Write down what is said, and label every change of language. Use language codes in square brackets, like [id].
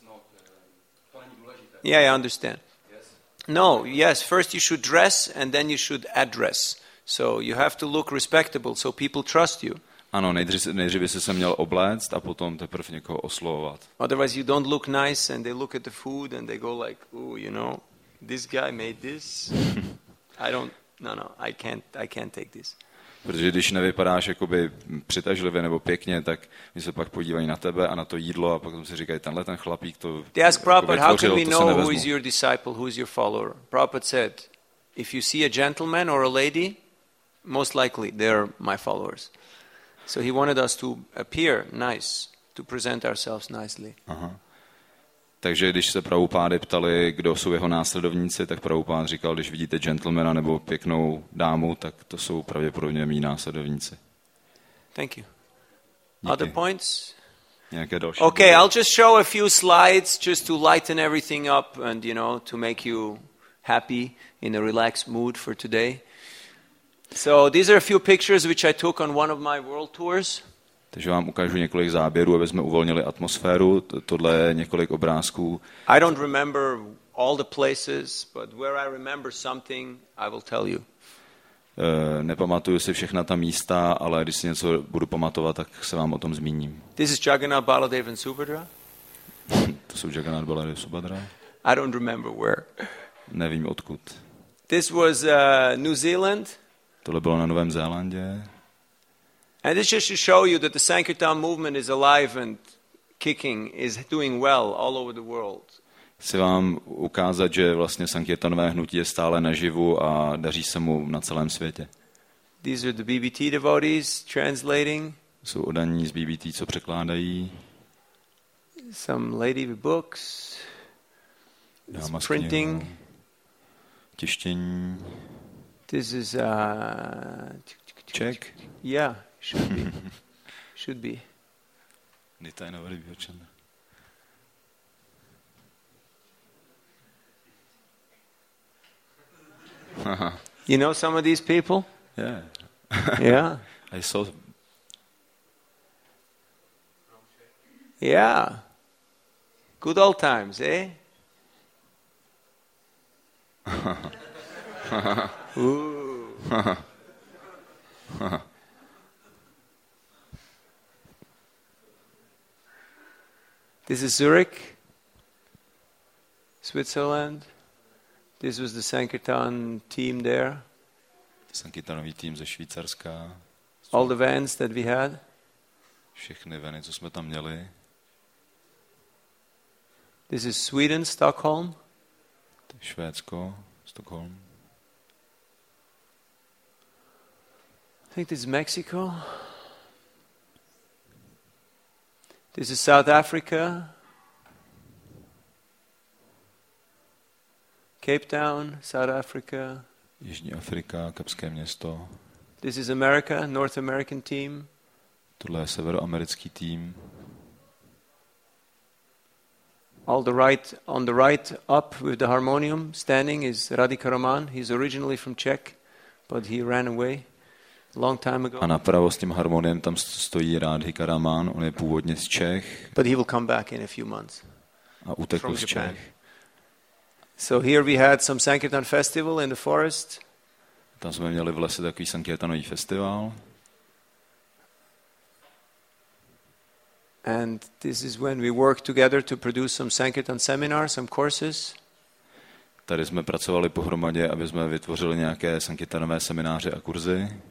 [en] Krishna says something. This is not... Yeah, I understand. No, yes, first you should dress and then you should address. So you have to look respectable so people trust you. [cs] Ano, nejdřív by se měl obléct a potom teprve někoho oslovovat. [en] Otherwise you don't look nice and they look at the food and they go like, "Ooh, you know, this guy made this. I can't take this." [cs] Protože když nevypadáš jakoby přitažlivě nebo pěkně, tak my se pak podívají na tebe a na to jídlo a pak si říkají, tenhle ten chlapík to jakoby tvořil, to se nevezmu. [en] They ask Prabhupada, how can we know who is your disciple, who is your follower? Prabhupada said, if you see a gentleman or a lady, most likely they are my followers. So he wanted us to appear nice, to present ourselves nicely. Aha. [cs] Takže když se Prabhupády ptali, kdo jsou jeho následovníci, tak Prabhupád říkal, když vidíte gentlemana nebo pěknou dámu, tak to jsou pravděpodobně mí následovníci. [en] Thank you. [cs] Díky. [en] Other points? [cs] Nějaké další? Okay, body? [en] I'll just show a few slides just to lighten everything up and you know, to make you happy in a relaxed mood for today. So these are a few pictures which I took on one of my world tours. [cs] Takže vám ukážu několik záběrů, aby jsme uvolnili atmosféru. Tohle je několik obrázků. [en] I don't remember all the places, but where I remember something, I will tell you. [cs] Nepamatuju si všechna ta místa, ale když si něco budu pamatovat, tak se vám o tom zmíním. [en] This is Jagannath Baladev and Subhadra. [cs] To jsou Jagannath Baladev a Subhadra. [en] I don't remember where. [cs] Nevím odkud. [en] This was New Zealand. [cs] Tohle bylo na Novém Zélandě. [en] And this just to show you that the Sankirtan movement is alive and kicking, is doing well all over the world. [cs] Chci vám ukázat, že vlastně Sankirtanové hnutí je stále naživu a daří se mu na celém světě. [en] These are the BBT devotees translating. [cs] Jsou oddaní z BBT, co překládají. [en] Some lady with books. [cs] Dáma s printing. Tištění. [en] This is a Czech. Yeah. Should be. [cs] Nita je na velký výhodčan. [en] You know some of these people? Yeah. Yeah. I saw. Yeah. Good old times, eh? This is Zurich, Switzerland. This was the Sankirtan team there. [cs] Sankirtanový tým ze Švýcarska. [en] All the vans that we had. [cs] Všechny vany, co jsme tam měli. [en] This is Sweden, Stockholm. [cs] Švédsko, Stockholm. [en] I think this is Mexico. This is South Africa. Cape Town, South Africa. [cs] Jižní Afrika, Kapské město. [en] This is America, North American team. [cs] Tohle je severoamerický tým. [en] All the right, on the right up with the harmonium standing is Radhika Roman. He's originally from Czech, but he ran away long time ago. [cs] A napravo s tím harmoniem tam stojí Radhika Roman. On je původně z Čech. [en] But he will come back in a few months. [cs] A utekl z Čech. [en] So here we had some Sankirtan festival in the forest. [cs] Tam jsme měli v lese takový Sankirtanový festival. [en] And this is when we worked together to produce some Sankirtan seminars, some courses. [cs] Tady jsme pracovali pohromadě, aby jsme vytvořili nějaké Sankirtanové semináře a kurzy.